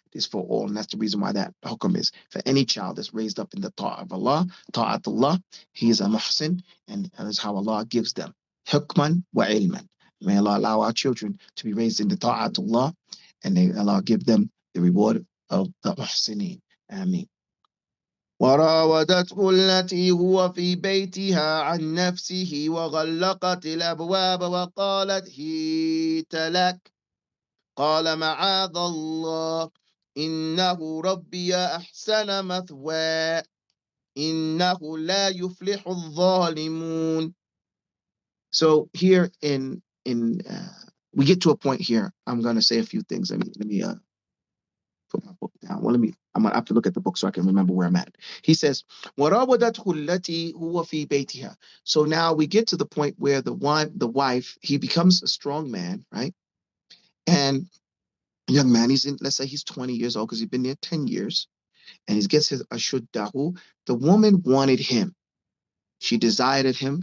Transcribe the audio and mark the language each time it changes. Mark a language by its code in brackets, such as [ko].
[en] Is for all, and that's the reason why that hukum is for any child that's raised up in the ta'a of Allah, ta'atullah, he is a muhsin, and that is how Allah gives them hukman wa ilman. May Allah allow our children to be raised in the ta'atullah, and may Allah give them the reward of the muhsinin. Ameen. [ar] وراودته التي هو في بيتها عن نفسه وغلقت الابواب وقالت هيت لك قال معاذ الله إِنَّهُ رَبِّيَ أَحْسَنَ مَثْوَى إِنَّهُ لَا يُفْلِحُ الظَّالِمُونَ. [en] So here in we get to a point here. I'm going to say a few things. Let me put my book down. Well, I'm going to have to look at the book so I can remember where I'm at. He says, [ar] وَرَوَدَتْهُ الَّتِي هُوَ فِي بَيْتِهَا. [en] So now we get to the point where the wife, he becomes a strong man, right? And young man, let's say he's 20 years old because he's been there 10 years, and he gets his ashuddahu. The woman wanted him. She desired him.